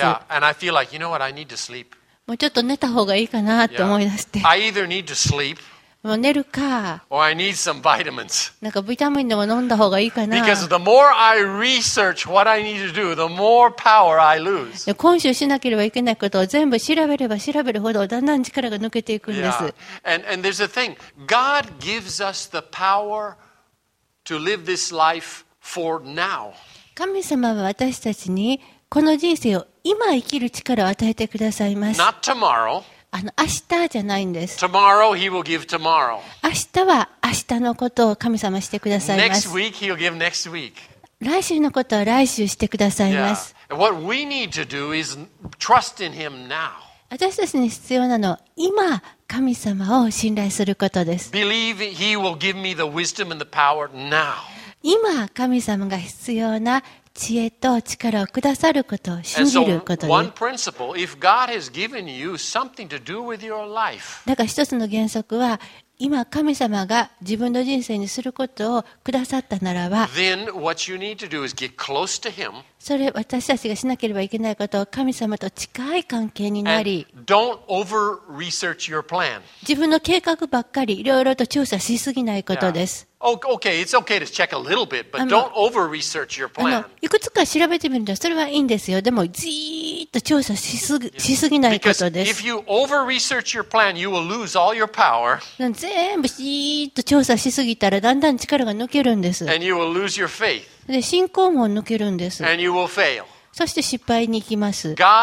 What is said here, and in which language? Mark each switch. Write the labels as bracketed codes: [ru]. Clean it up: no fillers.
[en] Yeah, and I feel like, you know what, I need to sleep. [ja] もうちょっと寝た方がいいかなって思い出して。 [en] Yeah. I either need to sleep. [ja] もう寝るか。 [en] Or I need some vitamins. [ja] なんかビタミンでも飲んだ方がいいかな。 [en] Because the more I research what I need to do, the more power I lose. [ja] で、今週しなければいけないことを全部調べれば調べるほど、だんだん力が抜けていくんです。 [en] Yeah. And there's a thing. God gives us the power to live this life for now. [ja] 神様は私たちにこの人生を今生きる力を与えてくださいます。 [en] Not tomorrow. [ja] 明日じゃないんです。 [en] tomorrow, he will give tomorrow. [ja] 明日は明日のことを神様してくださいます。 [en] next week, he'll give next week. [ja] 来週のことは来週してくださいます。 [en] yeah. What we need to do is trust in him now. [ja] 私たちに必要なのは今神様を信頼することです。 [en] Believe he will give me the wisdom and the power now. [ja] 今神様が必要な知恵と力をくださることを信じることです。 [en] One principle, if God has given you something to do with your life, [ja] だから一つの原則は、今神様が自分の人生にすることをくださったならば、 [en] Then what you need to do is get close to him. [ja] それ私たちがしなければいけないことは神様と近い関係になり、 [en] And don't over research your plan. [ja] 自分の計画ばっかりいろいろと調査しすぎないことです。 [en] Yeah. Okay, it's okay to check a little bit, but don't over research your plan. [ja] いくつか調べてみるとそれはいいんですよ。でもじーっと調査しすぎないことです。 [en] Because if you over research your plan, you will lose all your power. [ja] 全部じーっと調査しすぎたらだんだん力が抜けるんです。で、信仰も抜けるんです。そして失敗に行きます。